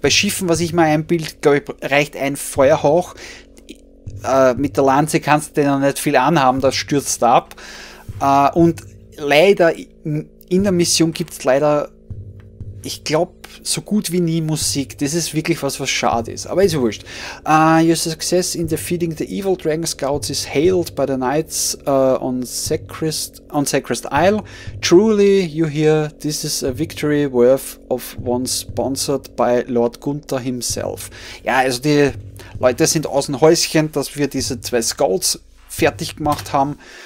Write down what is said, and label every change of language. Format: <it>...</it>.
<de>Bei Schiffen, was ich mir einbilde, glaube ich, reicht ein Feuerhauch. Mit der Lanze kannst du denen nicht viel anhaben, das stürzt ab. Und leider, in der Mission gibt es leider, ich glaube, so gut wie nie Musik. Das ist wirklich was, was schade ist. Aber ist wurscht.</de> <en>Your success in defeating the evil dragon scouts is hailed by the knights on Sacred Isle. Truly, you hear, this is a victory worth of one sponsored by Lord Gunther himself.</en> <de>Ja, also die Leute sind aus dem Häuschen, dass wir diese zwei Scouts fertig gemacht haben.</de>